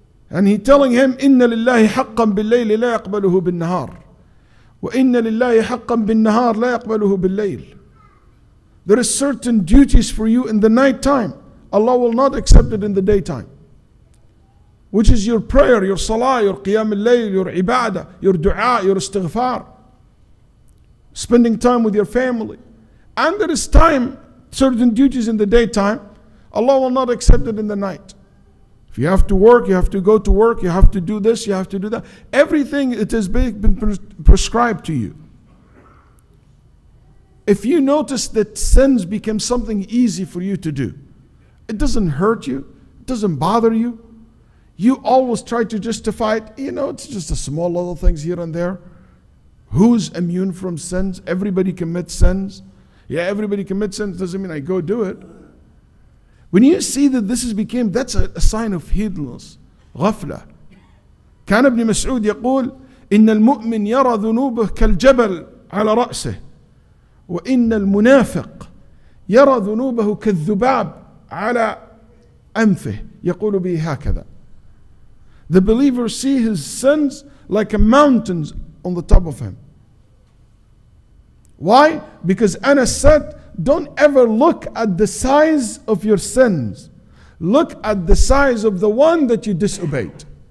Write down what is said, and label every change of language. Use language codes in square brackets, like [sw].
[en] And he telling him, [ar] إِنَّ لِلَّهِ حَقًّا بِاللَّيْلِ لَا يَقْبَلُهُ بِالنَّهَارِ وَإِنَّ لِلَّهِ حَقًّا بِالنَّهَارِ لَا يَقْبَلُهُ بِالْلَّيْلِ. [en] There are certain duties for you in the night time. Allah will not accept it in the daytime. Which is your prayer, your salah, your qiyam al-layl, your ibadah, your dua, your istighfar. Spending time with your family. And there is time, certain duties in the daytime. Allah will not accept it in the night. If you have to work, you have to go to work, you have to do this, you have to do that. Everything, it has been prescribed to you. If you notice that sins become something easy for you to do, it doesn't hurt you, it doesn't bother you. You always try to justify it. You know, it's just a small little things here and there. Who's immune from sins? Everybody commits sins. Yeah, everybody commits sins. Doesn't mean I go do it. When you see that this has became, that's a sign of heedlessness, ghafla. [ar] Kan ibn Mas'ud yaqul, إِنَّ الْمُؤْمِنْ يَرَى ذُنُوبَهُ كَالْجَبَلِ عَلَى رَأْسِهِ وَإِنَّ الْمُنَافِقْ يَرَى ذُنُوبَهُ كَالذُّبَابِ عَلَى أَنْفِهِ يَقُولُ بِهِ هَكَذَا. [en] The believer see his sins like a mountains on the top of him. Why? Because Anas said, don't ever look at the size of your sins. Look at the size of the one that you disobeyed.